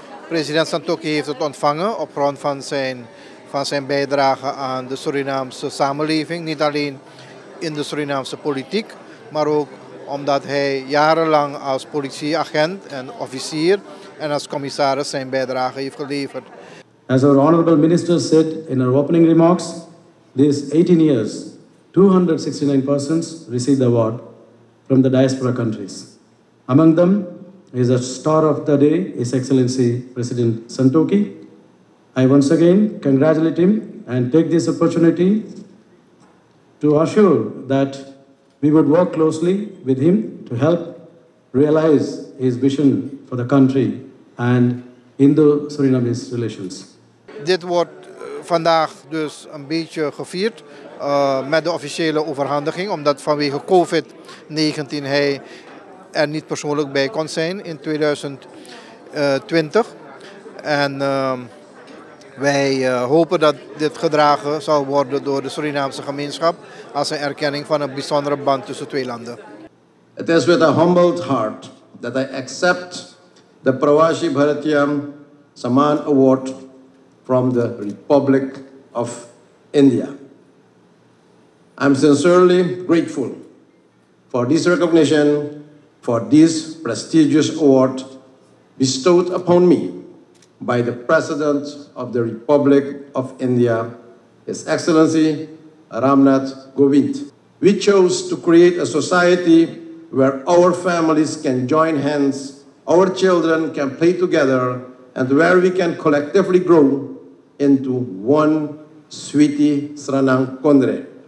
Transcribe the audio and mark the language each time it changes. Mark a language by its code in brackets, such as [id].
[nl] President Santokhi heeft het ontvangen op grond van zijn bijdrage aan de Surinaamse samenleving. Niet alleen in de Surinaamse politiek, maar ook omdat hij jarenlang als politieagent en officier en als commissaris zijn bijdrage heeft geleverd. [en] As our honorable minister said in our opening remarks, these 18 years, 269 persons received the award from the diaspora countries. Among them, is a star of the day, His Excellency President Santokhi. I once again congratulate him and take this opportunity to assure that we would work closely with him to help realize his vision for the country and Indo-Surinamese relations. [nl] Dit wordt vandaag dus een beetje gevierd met de officiële overhandiging, omdat vanwege COVID-19 hij er niet persoonlijk bij kon zijn in 2020. En wij hopen dat dit gedragen zal worden door de Surinaamse gemeenschap als een erkenning van een bijzondere band tussen twee landen. Het is met een [en] humbled heart [nl] dat ik accept de Pravasi Bharatiya Samman Award van de Republiek van India. Ik ben [en] sincerely grateful [nl] voor deze recognition. [en] For this prestigious award bestowed upon me by the President of the Republic of India, His Excellency Ramnath Kovind. We chose to create a society where our families can join hands, our children can play together, and where we can collectively grow into one Sweeti Sranang Kondre.